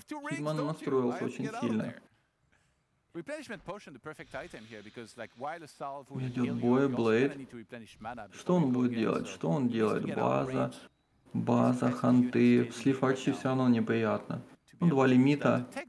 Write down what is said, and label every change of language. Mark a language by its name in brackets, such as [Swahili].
[Russian] Хитман настроился очень сильно. [English] Replenishment potion the perfect item here because like while a salve would heal you, Blade. You need to replenish mana. [Russian] Что он будет делать? Что он делает? База, ханты, слив арчи все равно неприятно. Ну, два лимита.